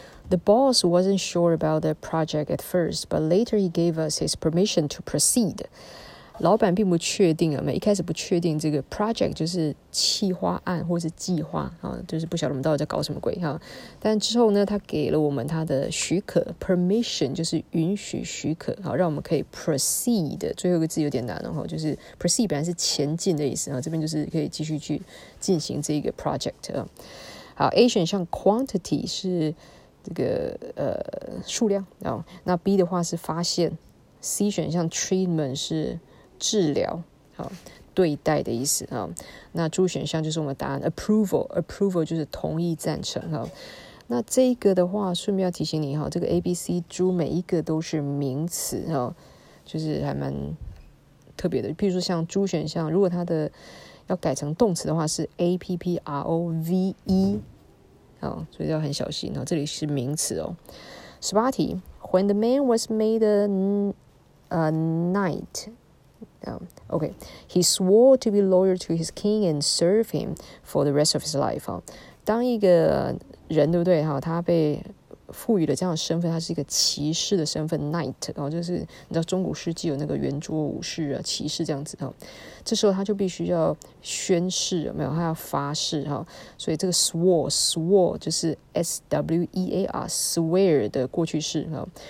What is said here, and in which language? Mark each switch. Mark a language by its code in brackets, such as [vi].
[en] The boss wasn't sure about the project at first, but later he gave us his permission to proceed. [zh] 老板并不确定啊，一开始不确定这个 project 就是企划案或是计划啊，就是不晓得我们到底在搞什么鬼哈。但之后呢，他给了我们他的许可 ，permission 就是允许许可，好，让我们可以 proceed。最后一个字有点难哦，就是 proceed 本来是前进的意思啊，这边就是可以继续去进行这个 project 啊。好 ，A 选项 quantity 是。这个数量啊、哦，那 B 的话是发现 ，C 选项 treatment 是治疗，好、哦、对待的意思啊、哦。那 D 选项就是我们答案 approval 就是同意赞成哈、哦。那这个的话，顺便要提醒你哈、哦，这个 A、B、C、D 每一个都是名词哈、哦，就是还蛮特别的。譬如说像 D 选项，如果它的要改成动词的话，是 approve。好，所以要很小心哦。这里是名词哦。 18题 [en] ，When the man was made a knight, okay, he swore to be loyal to his king and serve him for the rest of his life. [zh] 哦，当一个人对不对？哈，他被赋予了这样的身份，他是一个骑士的身份 ，knight。然后就是你知道中古世纪有那个圆桌武士啊，骑士这样子哈。这时候他就必须要宣誓，有没有？他要发誓哈。所以这个 swore 就是 swear 的过去式哈。